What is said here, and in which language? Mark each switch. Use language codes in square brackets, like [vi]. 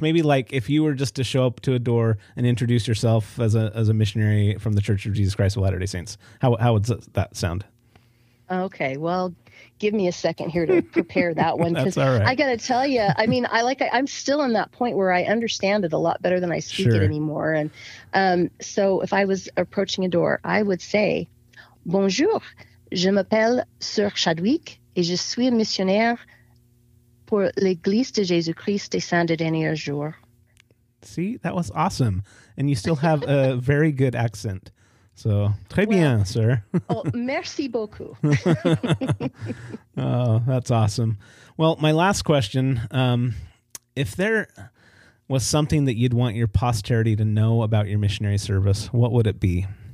[en] Maybe like if you were just to show up to a door and introduce yourself as a missionary from the Church of Jesus Christ of Latter-day Saints, how would that sound? Okay, well, give me a second here to prepare that one. That's all right. I got to tell you, I mean, I'm still in that point where I understand it a lot better than I speak it anymore. And so if I was approaching a door, I would say, [fr] "Bonjour. Je m'appelle Sœur Chadwick et je suis missionnaire pour l'Église de Jésus-Christ des Saints des Derniers Jours." [en] See, that was awesome. And you still have a very good accent. So, bien, sir. [fr] Merci beaucoup. [en] Oh, that's awesome. Well, my last question, if there was something that you'd want your posterity to know about your missionary service, what would it be?